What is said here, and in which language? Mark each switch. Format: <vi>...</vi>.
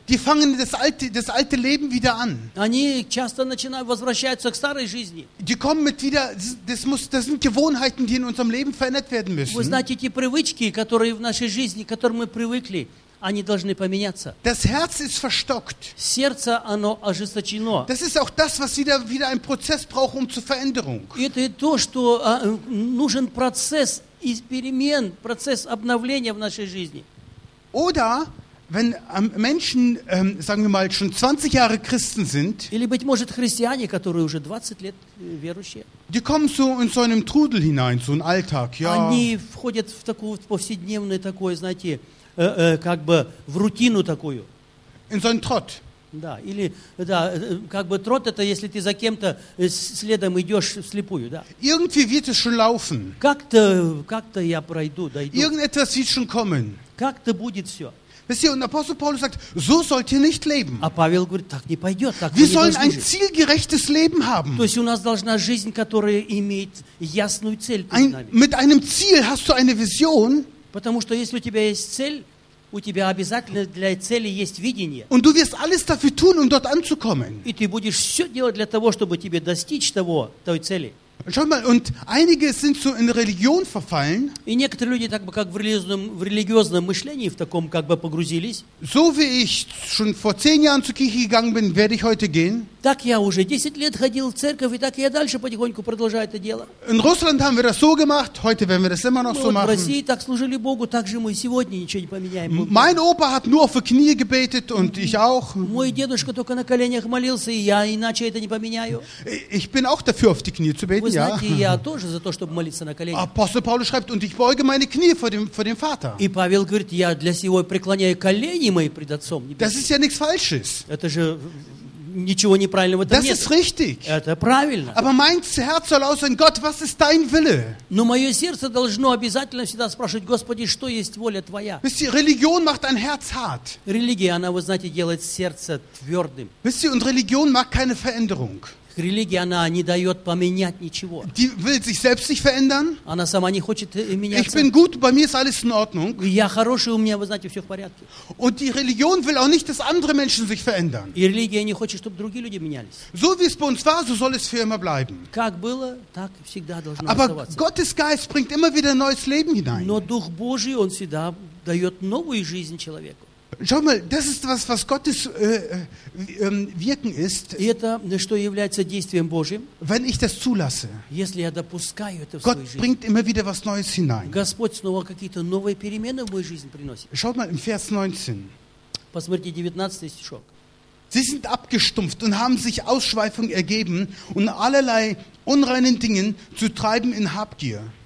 <de>Die fangen das alte Leben wieder an.</de> <ru>Они часто начинают возвращаться к старой жизни.</ru> <de>Die kommen mit wieder, das sind Gewohnheiten, die in unserem Leben verändert werden müssen.</de> <ru>Вы знаете, эти привычки, которые в нашей жизни, к которым мы привыкли, они должны поменяться.</ru> <de>Das Herz ist verstockt.</de> <ru>Сердце, оно ожесточено.</ru> <de>Das ist auch das, was wieder ein Prozess braucht, zur Veränderung.</de> <ru>Это то, что нужен процесс из перемен, процесс обновления в нашей жизни.</ru> <de>Oder wenn Menschen, sagen wir mal, schon 20 Jahre Christen sind,</de> <ru>или, быть может, христиане, которые уже 20 лет верующие,</ru> <de>die kommen so in so einen Trudel hinein, so einen Alltag. Ja.</de> <ru>Они входят в такую повседневную, такое, знаете, как бы в рутину такую.</ru> <de>In so einen Trott.</de> <ru>Да, или, да, как бы трот это, если ты за кем-то следом идешь вслепую, да.</ru> <de>Irgendwie wird es schon laufen.</de> <ru>Как-то я пройду, дойду.</ru> <de>Irgendetwas wird schon kommen.</de> <ru>Как-то будет все.</ru> <de>Wisst ihr, und Apostel Paulus sagt, so sollt ihr nicht leben.</de> <ru>А Павел говорит, так не пойдет, так</ru> <de>wir sollen ein zielgerechtes Leben haben.</de> <ru>То есть у нас должна жизнь, которая имеет ясную цель перед нами.</ru> <de>Mit einem Ziel hast du eine Vision.</de> <ru>Потому что если у тебя есть цель, у тебя обязательно для цели есть видение.</ru> <de>Und du wirst alles dafür tun, um dort anzukommen.</de> <ru>И ты будешь все делать для того, чтобы тебе достичь того, той цели.</ru> <de>Schau mal, und einige sind so in Religion verfallen.</de> <ru>И некоторые люди так бы как в религиозном мышлении в таком как бы погрузились.</ru> <de>So wie ich schon vor 10 Jahren zur Kirche gegangen bin, werde ich heute gehen.</de> <ru>Так я уже 10 лет ходил в церковь, и так я дальше потихоньку продолжаю это дело.</ru> <de>In Russland haben wir das so gemacht, heute werden wir das immer noch</de> <ru>мы</ru> <de>so machen.</de> <ru>В России так служили Богу, так же мы и сегодня ничего не поменяем.</ru> <de>Mein Opa hat nur auf die Knie gebetet und ich auch.</de> <ru>Мой дедушка только на коленях молился, и я иначе это не поменяю.</ru> <de>Ich bin auch dafür, auf die Knie zu beten.</de> <ru>Вы знаете, я тоже за то, чтобы молиться на коленях.</ru> <de>Апостол Павел schreibt, und ich beuge meine Knie vor dem Vater.</de> <ru>И Павел говорит, я для сего преклоняю колени мои пред Отцом.</ru> <de>Das ist ja nichts Falsches.</de> <ru>Это же ничего неправильного в этом</ru> <de>das</de> <ru>нет.</ru> <de>Das ist richtig.</de> <ru>Это правильно.</ru> <de>Aber mein Herz soll aussehen, Gott, was ist dein Wille?</de> <ru>Но мое сердце должно обязательно всегда спрашивать, Господи, что есть воля Твоя?</ru> <de>Wisst ihr, Religion macht ein Herz hart.</de> <ru>Религия, она, вы знаете, делает сердце твердым.</ru> <de>Wisst ihr, und Religion mag keine Veränderung.</de> <ru>Религия, она не дает поменять ничего.</ru> <de>Die will sich selbst nicht verändern.</de> <ru>Она сама не хочет меняться.</ru> <de>Ich bin gut, bei mir ist alles in Ordnung.</de> <ru>Я хороший, у меня, вы знаете, все в порядке.</ru> <de>Und die Religion will auch nicht, dass andere Menschen sich verändern.</de> <ru>И религия не хочет, чтобы другие люди менялись.</ru> <de>So wie es bei uns war, so soll es für immer bleiben.</de> <ru>Как было, так всегда должно</ru> <de>Aber</de> <ru>оставаться.</ru> <de>Gottes Geist bringt immer wieder neues Leben hinein.</de> <ru>Но Дух Божий, он всегда дает новую жизнь человеку.</ru> <de>Schau mal, das ist was, was Gottes Wirken ist.</de> <ru>Это, что является действием Божьим.</ru> <de>Wenn ich das zulasse.</de> <ru>Если я допускаю это в</ru> <de>Gott</de> <ru>свою жизнь.</ru> <de>Bringt immer wieder was Neues hinein.</de> <ru>Господь снова какие-то новые перемены в мою жизнь приносит.</ru> <de>Schau mal, im Vers 19.</de> <ru>Посмотрите, 19 стишок.</ru> <de>Sie sind abgestumpft und haben sich Ausschweifungen ergeben und allerlei unreinen Dingen zu treiben in Habgier.</de>